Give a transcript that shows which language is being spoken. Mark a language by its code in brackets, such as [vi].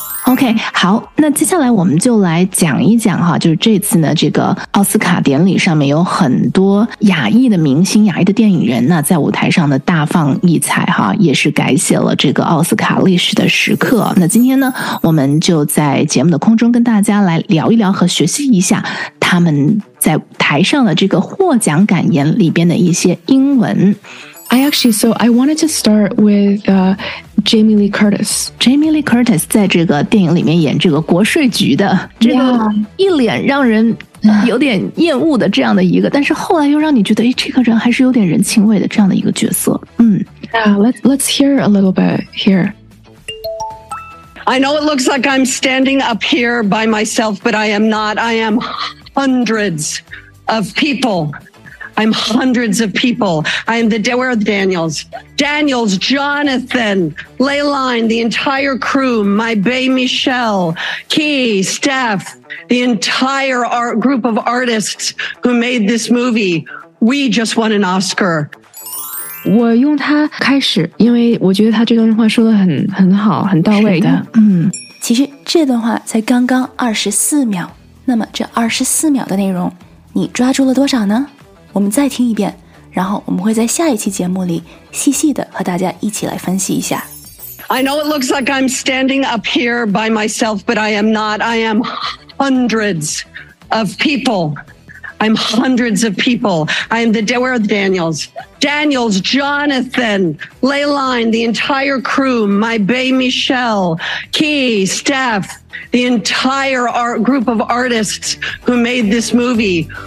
[zh] OK， 好，那接下来我们就来讲一讲哈，就是这次呢这个奥斯卡典礼上面有很多亚裔的明星，亚裔的电影人呢在舞台上的大放异彩哈，也是改写了这个奥斯卡历史的时刻。那今天呢我们就在节目的空中跟大家来聊一聊和学习一下他们在台上的这个获奖感言里边的一些英文。 [en] I wanted to start with Jamie Lee Curtis. [zh] Jamie Lee Curtis 在这个电影里面演这个国税局的，这个一脸让人有点厌恶的这样的一个，但是后来又让你觉得，哎，这个人还是有点人情味的这样的一个角色。 [en] Let's hear a little bit here. I know it looks like I'm standing up here by myself, but I am not. I am hundreds of people. I'm hundreds of people. I am where are the Daniels? Daniels, Jonathan, Leyline, the entire crew, my bae Michelle, Key, Steph, the entire art group of artists who made this movie. We just won an Oscar. [zh] 我用它开始，因为我觉得他这段话说得很好，很到位的。其实这段话才刚刚24秒，那么这24秒的内容，你抓住了多少呢？我们再听一遍，然后我们会在下一期节目里细细的和大家一起来分析一下。 I know it looks like I'm standing up here by myself, but I am not. I am hundreds of people. I'm hundreds of people. I am where are the Daniels? Daniels, Jonathan, Leyline, the entire crew, my bae Michelle, Key, Steph, the entire art group of artists who made this movie.